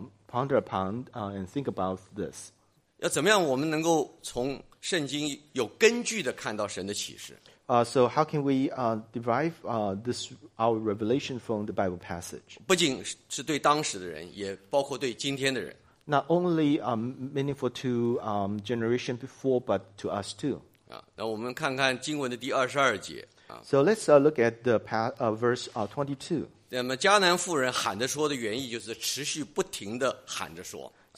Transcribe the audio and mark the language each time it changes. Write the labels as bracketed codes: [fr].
[en] So hopefully through this passage we can ponder upon and think about this. [zh] 要怎么样我们能够从圣经有根据的看到神的启示？ [en] So how can we derive our revelation from the Bible passage? [zh] 不仅是对当时的人，也包括对今天的人。 [en] Not only meaningful to generation before, but to us too. [zh] 那我们看看经文的第二十二节。 [en] So let's look at verse 22. [zh] 那么迦南妇人喊着说的原意就是持续不停地喊着说。